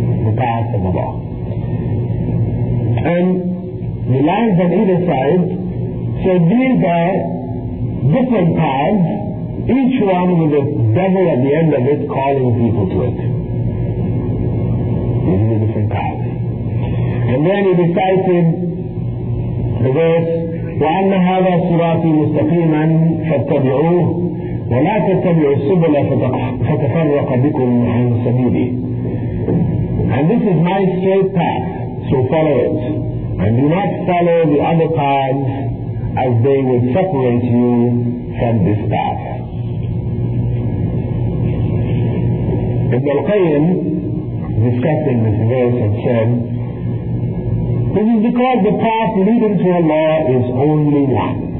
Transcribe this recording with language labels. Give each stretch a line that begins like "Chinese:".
English: The path of Allah. And the lines on either side, so these are different paths each one with a devil at the end of it calling people to it. This is a different kind. And then he recited the verse,
Arabic: وَأَنَّ هَذَا صِرَاطِي مُسْتَقِيمًا فَاتَّبِعُوهُ وَلَا تَتَّبِعُوا السُّبُلَ فَتَفَرَّقَ بِكُمْ عَن سَبِيلِهِ.
English: And this is my straight path, so follow it. And do not follow the other paths, as they will separate you from this path. Ibn al-Qayyim, discussing this verse, had said, this is because the path leading to Allah is only one.